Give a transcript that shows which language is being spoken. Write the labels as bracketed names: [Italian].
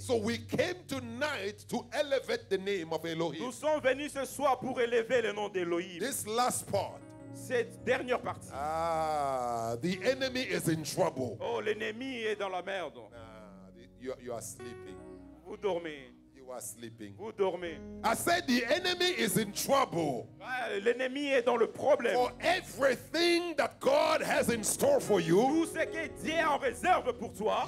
[English] So we came tonight to elevate the name of Elohim. [French] Nous sommes venus ce soir pour élever le nom d'Elohim. [English] This last part. [French] Cette dernière partie. [English] The enemy is in trouble. [French] Oh, l'ennemi est dans la merde. [English] You are sleeping. [French] Vous dormez. [English] You are sleeping. [French] Vous dormez. [English] I said the enemy is in trouble. [French] L'ennemi est dans le problème. [English] For everything that God has in store for you. [French] Tout ce que Dieu en réserve pour toi.